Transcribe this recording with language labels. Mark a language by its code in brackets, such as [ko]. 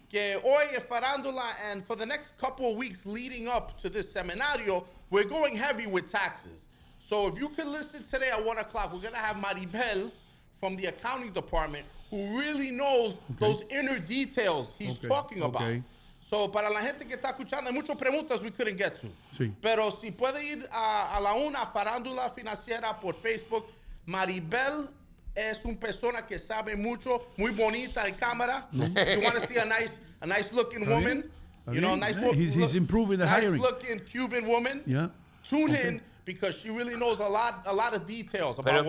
[es] Que hoy es Farándula, [en] and for the next couple of weeks leading up to this seminario, we're going heavy with taxes. So if you can listen today at 1 o'clock, we're going to have Maribel from the accounting department who really knows those inner details he's talking about. [es] Okay. So, para la gente que está escuchando, hay muchas preguntas [en] we couldn't get to. [es] Sí. Pero si puede ir a la una, Farándula Financiera por Facebook, Maribel es una persona que sabe mucho, muy bonita en cámara. Mm-hmm. [en] You want to see a nice looking woman? He's improving the hiring. Nice looking Cuban woman. Yeah. Tune in. Because she really knows a lot of details about